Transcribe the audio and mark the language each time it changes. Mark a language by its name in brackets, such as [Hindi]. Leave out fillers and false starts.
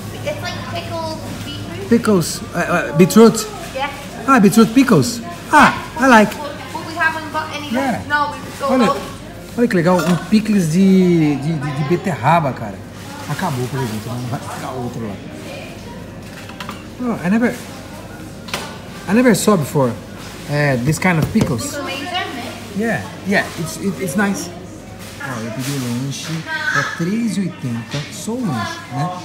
[English] It's like pickled beetroot. Pickles. Beetroot? Yeah. Ah, beetroot pickles. Ah, I like. But we haven't got any. Yeah. No, we've got [Portuguese] both. Olha que legal, um pickles de beterraba, cara. Acabou, por exemplo, não vai ficar outro lá. [English] Oh, I never saw before this kind of pickles. Yeah, it's nice. [Portuguese] Oh, eu pedi lanche, é R$3,80, só o lanche, né?